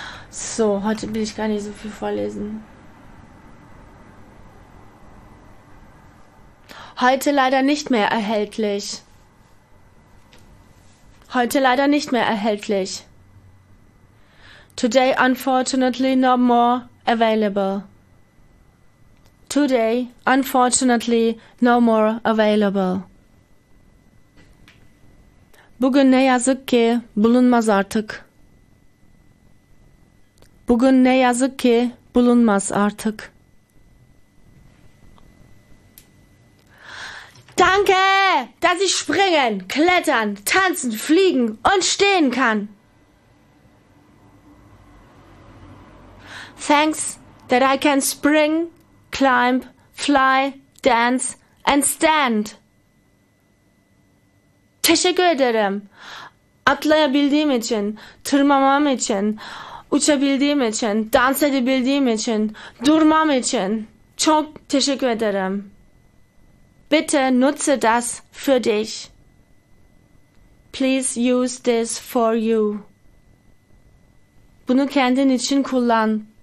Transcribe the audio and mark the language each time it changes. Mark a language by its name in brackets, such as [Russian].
[German] So, heute will ich gar nicht so viel vorlesen. Heute leider nicht mehr erhältlich. Heute leider nicht mehr erhältlich. [English] Today, unfortunately, no more available. Today, unfortunately, no more available. [Turkish] Bugün ne yazık ki bulunmaz artık. Bugün ne yazık ki bulunmaz artık. [German] Danke, dass ich springen, klettern, tanzen, fliegen und stehen kann. [English] Thanks that I can spring, climb, fly, dance and stand. [Turkish] Teşekkür ederim. Atlayabildiğim için, tırmanmam için, uçabildiğim için, dans edebildiğim için, durmam için. Çok teşekkür ederim. [German] Bitte nutze das für dich. [English] Please use this for you. [Turkish] Bunu kendin için kullan.